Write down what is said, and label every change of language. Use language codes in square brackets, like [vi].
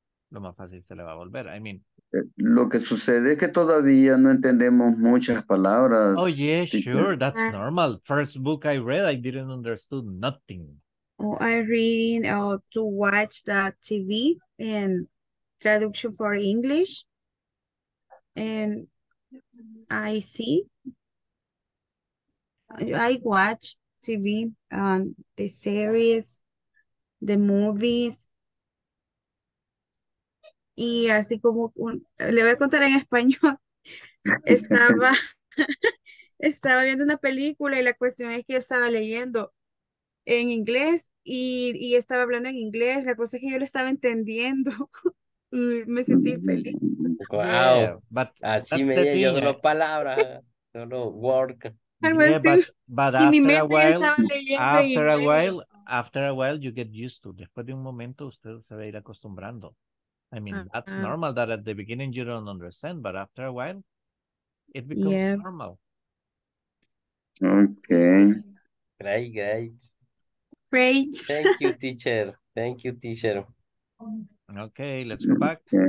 [es] Lo más fácil se le va a volver. [en] I mean, [es] lo que sucede es que todavía no entendemos muchas palabras. [en] Oh, yeah, sure, that's normal. First book I read, I didn't understood nothing. Oh, I read to watch the TV and traduction for English. And I watch TV, the series, the movies. [es] Y así como un, le voy a contar en español, estaba viendo una película y la cuestión es que estaba leyendo en inglés y estaba hablando en inglés. La cosa es que yo lo estaba entendiendo y me sentí feliz. [en] Wow, yeah, but [es] así me llegó solo palabras, solo work. [en] After a while, you get used to. [es] Después de un momento, usted se va a ir acostumbrando. [en] I mean, that's normal that at the beginning you don't understand, but after a while, it becomes normal. Okay. Great, guys. Great. Thank you, teacher. Okay, let's go back.